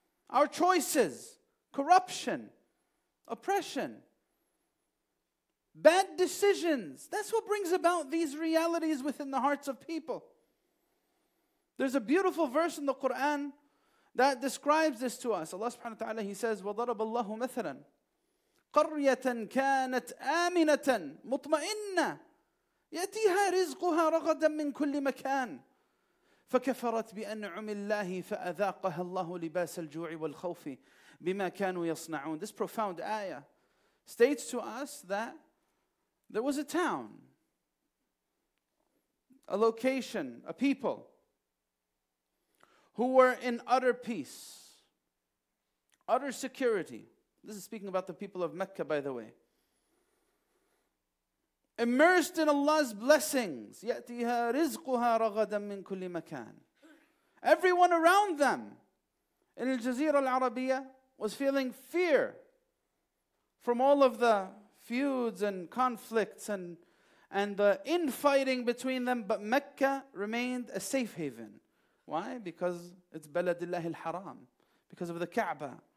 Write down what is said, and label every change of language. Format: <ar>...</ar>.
<en>Our choices, corruption, oppression, bad decisions, that's what brings about these realities within the hearts of people. There's a beautiful verse in the Quran that describes this to us. Allah subhanahu wa ta'ala, He says,</en> <ar>وَضَرَبَ اللَّهُ مَثَلًا قَرْيَةً كَانَتْ آمِنَةً مُطْمَئِنَّةً يَتِيهَا رِزْقُهَا رَغَدًا مِّن كُلِّ مَكَانٍ فَكَفَرَتْ بِأَنْعُمِ اللَّهِ فَأَذَاقَهَا اللَّهُ لِبَاسَ الْجُوعِ وَالْخَوْفِ بِمَا كَانُوا يَصْنَعُونَ.</ar> <en>This profound ayah states to us that there was a town, a location, a people who were in utter peace, utter security. This is speaking about the people of Mecca, by the way. Immersed in Allah's blessings,</en> <ar>يَأْتِيهَا رِزْقُهَا رَغَدًا مِّن كُلِّ مَكَانٍ.</ar> <en>Everyone around them in Al-Jazeera Al-Arabiya was feeling fear from all of the feuds and conflicts and the infighting between them. But Mecca remained a safe haven. Why? Because it's بَلَدِ haram, because of the Kaaba.</en>